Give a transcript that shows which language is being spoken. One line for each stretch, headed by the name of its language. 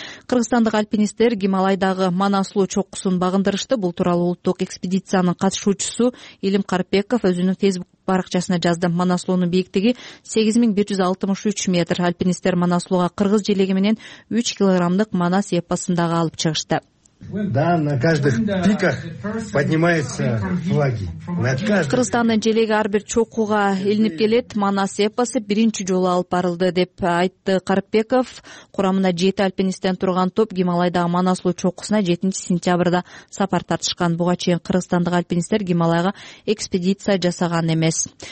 Kyrgyz: Кыргызстандык альпинисттер Гималайдагы Манаслуу чокусун багындырышты. Бул тууралуу улуттук экспедициянын катышуучусу Илим Карпеков өзүнүн Facebook баракчасына жазды. Манаслоонун бийиктиги 8163 метр. Альпинисттер Манаслоого кыргыз желеги менен 3 килограммдык Манас эпосундагы алып чыгышты.
Russian: Да, на каждых пиках поднимаются флаги.
Kyrgyz: Кыргызстандын желеги ар бир чокуга илинип келет. Манас эпосу биринчи жолу алып барылды деп айтты Карпеков. Курамына 7 альпинисттен турган топ Гималайдагы Манаслоо чокусуна 7 сентябрда сапар тартышкан. Буга чейин кыргызстандык альпинисттер Гималайга экспедиция жасаган эмес.